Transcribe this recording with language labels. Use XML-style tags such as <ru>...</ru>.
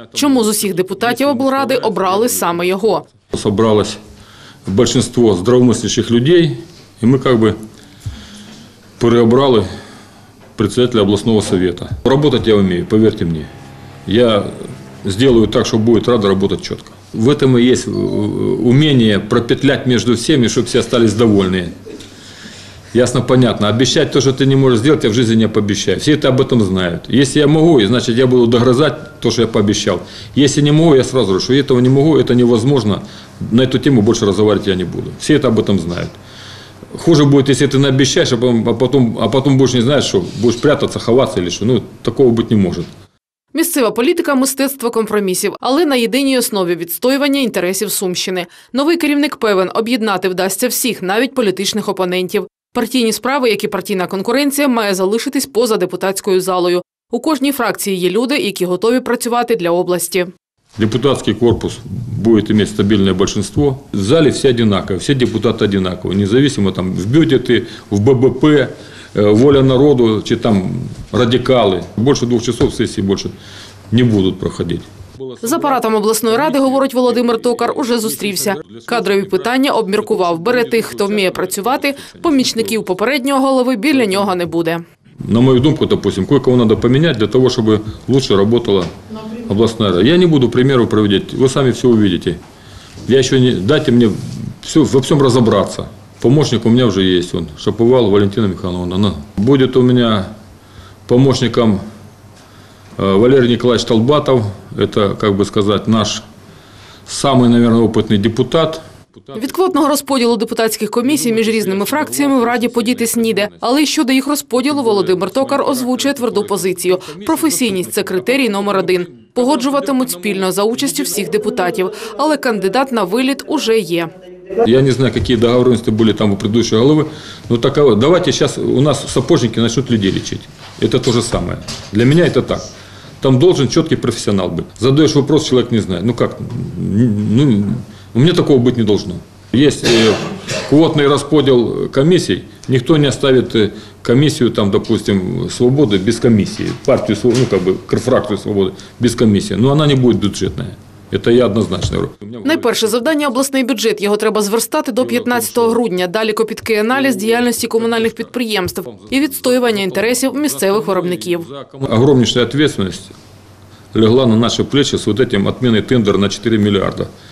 <uk>Чому з усіх депутатів облради обрали саме його? Собралось більшість здравомислящих людей, і ми якби переобрали председателя обласного совета. Работать я вмію, повірте мені. Я зроблю так, щоб буде рада працювати чітко.</uk> <ru>В этом и есть умение пропетлять между всеми, чтобы все остались довольны. Ясно, понятно. Обещать то, что ты не можешь сделать, я в жизни не пообещаю. Все это об этом знают. Если я могу, значит, я буду догрызать то, что я пообещал. Если не могу, я сразу говорю, что этого не могу, это невозможно. На эту тему больше разговаривать я не буду. Все это об этом знают. Хуже будет, если ты наобещаешь, а потом будешь не знать, что будешь прятаться, ховаться или что. Ну, такого быть не может.</ru> <uk>Місцева політика – мистецтво компромісів, але на єдиній основі – відстоювання інтересів Сумщини. Новий керівник певен – об'єднати вдасться всіх, навіть політичних опонентів. Партійні справи, як і партійна конкуренція, має залишитись поза депутатською залою. У кожній фракції є люди, які готові працювати для області. Депутатський корпус буде мати стабільне більшість. В залі всі однакові, всі депутати однакові, незалежно там в бюджеті, в БПП. Воля народу чи там радикали. Більше 2 годин сесії більше не будуть проходити. З апаратом обласної ради, говорить Володимир Токар, уже зустрівся. Кадрові питання обміркував. Бере тих, хто вміє працювати, помічників попереднього голови біля нього не буде. На мою думку,</uk> <ru>допустим, кое-кого</ru> <uk>треба поміняти для того, щоб краще працювала обласна рада. Я не буду приміру проводити, ви самі все побачите. Дайте мені все, в усьому розібратися.</uk> <ru>Помощник у меня уже есть, он Шаповал Валентина Михайловна. Она будет у меня помощником Валерий Николаевич Толбатов. Это, как бы сказать, наш самый, наверное, опытный депутат.</ru> <uk>Від квотного розподілу депутатських комісій між різними фракціями в Раді подітись ніде. Але щодо їх розподілу Володимир Токар озвучує тверду позицію. Професійність – це критерій номер один. Погоджуватимуть спільно за участю всіх депутатів. Але кандидат на виліт уже є.</uk> <ru>Я не знаю, какие договоренности были там у предыдущей головы, но таково. Давайте сейчас у нас сапожники начнут людей лечить. Это то же самое. Для меня это так. Там должен четкий профессионал быть. Задаешь вопрос, человек не знает. Ну как? Ну, у меня такого быть не должно. Есть квотный расподел комиссий. Никто не оставит комиссию, там, допустим, свободы без комиссии. Партию, ну как бы, фракцию свободы без комиссии. Но она не будет бюджетная.</ru> <uk>Це я однозначно. Найперше завдання – обласний бюджет. Його треба зверстати до 15 грудня. Далі копіткий аналіз діяльності комунальних підприємств і відстоювання інтересів місцевих виробників. Огромніша відповідальність лягла на наші плечі з цим відміною тендер на 4 мільярди.</uk>